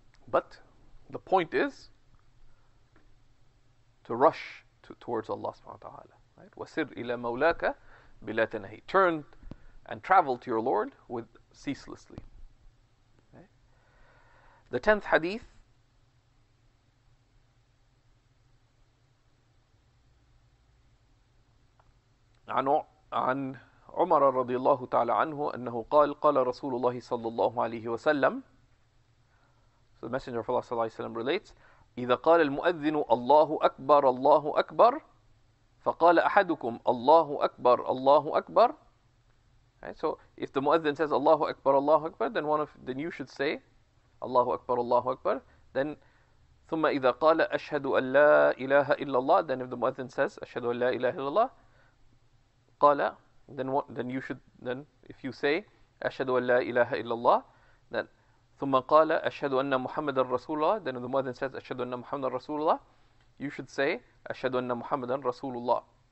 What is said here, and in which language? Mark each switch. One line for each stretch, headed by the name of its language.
English: But the point is to rush towards Allah subhanahu wa ta'ala. Right?
Arabic: Wasir ila mawlaka bila tanahi.
English: Turn and travel to your Lord with ceaselessly. Okay? The 10th hadith
Arabic: عن عمر رضي الله تعالى عنه أنه قال قال رسول الله صلى الله عليه وسلم.
English: So the Messenger of Allah
Arabic: صلى الله عليه وسلم
English: relates,
Arabic: إذا قال المؤذن الله أكبر الله أكبر فقال أحدكم الله أكبر الله أكبر.
English: Right, so if the muezzin says
Arabic: الله أكبر الله أكبر,
English: then one of then you should say الله أكبر الله أكبر. Then
Arabic: ثم إذا قال أشهد أن لا إله إلا الله,
English: then if the muezzin says
Arabic: أشهد أن لا إله إلا الله, قال,
English: then what, then you should, then if you say
Arabic: أشهد أن لا إله إلا الله, then ثم قال أشهد أن محمد رسول الله,
English: then the muezzin says
Arabic: أشهد أن محمد رسول الله,
English: you should say
Arabic: أشهد أن محمد رسول الله.